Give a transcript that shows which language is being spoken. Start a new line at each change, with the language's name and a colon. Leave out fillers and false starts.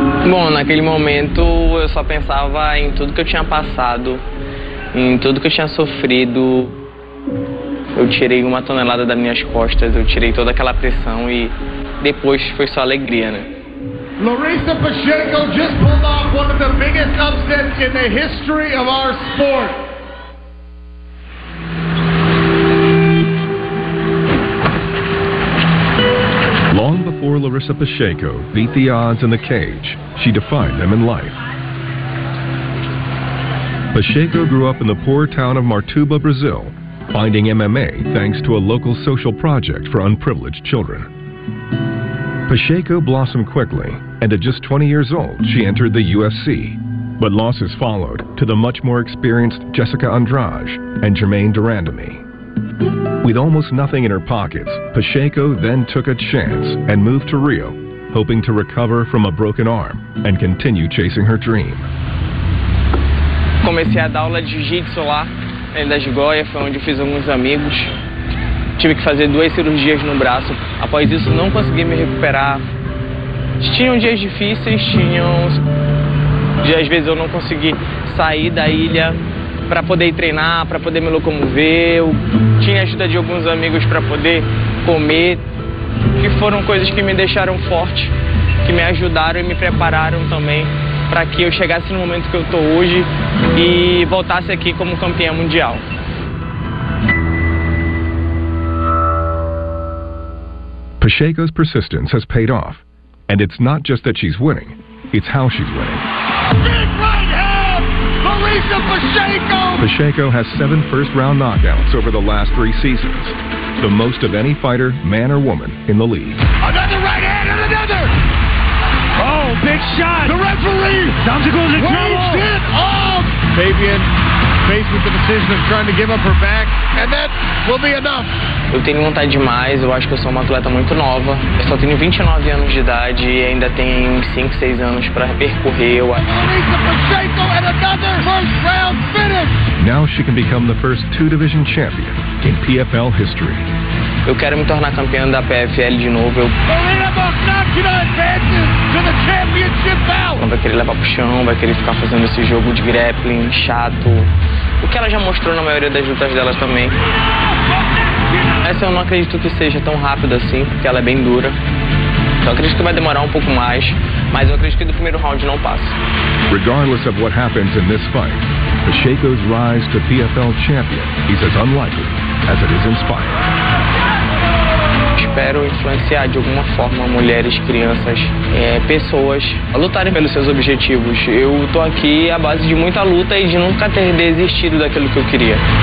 Portuguese: Bom, naquele momento eu só pensava em tudo que eu tinha passado, em tudo que eu tinha sofrido. Eu tirei uma tonelada das minhas costas, eu tirei toda aquela pressão e depois foi só alegria, né?
English: Larissa Pacheco just pulled off one of the biggest upsets in the history of our sport. Long before Larissa Pacheco beat the odds in the cage, she defined them in life. Pacheco grew up in the poor town of Martuba, Brazil, finding MMA thanks to a local social project for unprivileged children. Pacheco blossomed quickly, and at just 20 years old, she entered the UFC. But losses followed to the much more experienced Jessica Andrade and Jermaine Durandamy. With almost nothing in her pockets, Pacheco then took a chance and moved to Rio, hoping to recover from a broken arm and continue chasing her dream.
Portuguese: Comecei a dar aula de jiu-jitsu lá, em Das Goia, foi onde eu fiz alguns amigos. Tive que fazer duas cirurgias no braço. Após isso, não consegui me recuperar. Tinham dias difíceis, tinham... E às vezes eu não consegui sair da ilha para poder ir treinar, para poder me locomover. Eu tinha ajuda de alguns amigos para poder comer, que foram coisas que me deixaram forte, que me ajudaram e me prepararam também para que eu chegasse no momento que eu estou hoje e voltasse aqui como campeã mundial.
English: Pacheco's persistence has paid off, and it's not just that she's winning, it's how she's winning. Pacheco has 7 first-round knockouts over the last 3 seasons, the most of any fighter, man or woman, in the league. Another right hand and another! Oh, big shot! The referee! Time to go to trouble! Waves it off! Fabian faced with the decision of trying to give up her back, and that will be enough.
Portuguese: Eu tenho vontade demais, eu acho que eu sou uma atleta muito nova. Eu só tenho 29 anos de idade e ainda tenho 5, 6 anos para percorrer.
English: Larissa Pacheco and another first round finish! Now she can become the first 2 division champion in PFL history.
Portuguese: Eu quero me tornar campeã da PFL de novo.
English: Marina Bocnacchina advances to the championship bout!
Portuguese: Não vai querer levar pro chão, vai querer ficar fazendo esse jogo de grappling chato. O que ela já mostrou na maioria das lutas dela também. Essa eu não acredito que seja tão rápido assim, porque ela é bem dura. Então eu acredito que vai demorar um pouco mais, mas eu acredito que do primeiro round não passa.
English: Regardless of what happens in this fight, Pacheco's rise to PFL champion is as unlikely as it is inspired.
Portuguese: Espero influenciar de alguma forma mulheres, crianças, pessoas a lutarem pelos seus objetivos. Eu estou aqui à base de muita luta e de nunca ter desistido daquilo que eu queria.